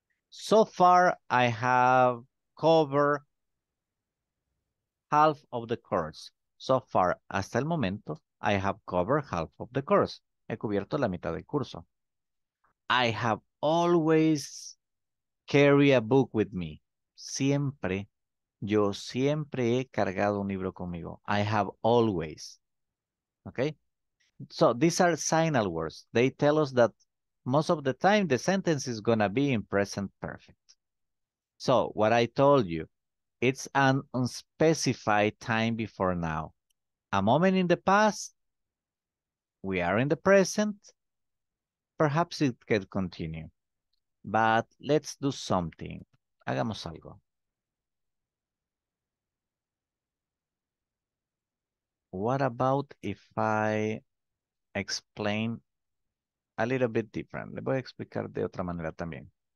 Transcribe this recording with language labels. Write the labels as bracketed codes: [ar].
[en] So far, I have covered half of the course. So far, [es] hasta el momento, [en] I have covered half of the course. [es] He cubierto la mitad del curso. [en] I have always carry a book with me. [es] Siempre, yo siempre he cargado un libro conmigo. [en] I have always. Okay? So these are signal words. They tell us that most of the time the sentence is going to be in present perfect. So what I told you, it's an unspecified time before now. A moment in the past, we are in the present. Perhaps it can continue. But let's do something. [es] Hagamos algo. [en] What about if I explain a little bit different? [es] Le voy a explicar de otra manera también.